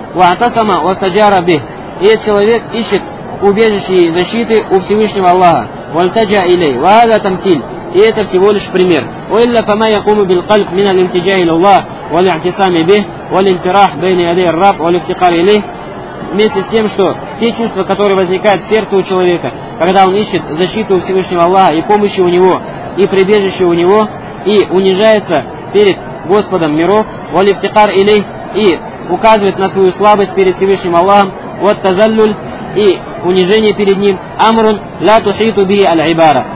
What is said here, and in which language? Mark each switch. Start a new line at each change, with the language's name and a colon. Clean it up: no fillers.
Arabic: Ва'тасама ва'стаджара бих.
Russian: И этот человек ищет убежище и защиты у Всевышнего Аллаха.
Arabic: Ва'таджа илей. Ва'ада тамсиль.
Russian: И это всего лишь пример.
Arabic: وإلا فما يقوم بالقلب من الالتجاء إلى الله والاعتصام به والانفراح بين يدي الرب والافتقار إليه.
Russian: Вместе с тем, что те чувства, которые возникают в сердце у человека, когда он ищет защиту у Всевышнего Аллаха и помощи у него и прибежище у него, и унижается перед Господом миров,
Arabic: валифтикар илей,
Russian: и указывает на свою слабость перед Всевышним Аллахом, вот тазаллюль, и унижение перед ним,
Arabic: амрун ла тухиту би аль-ибара.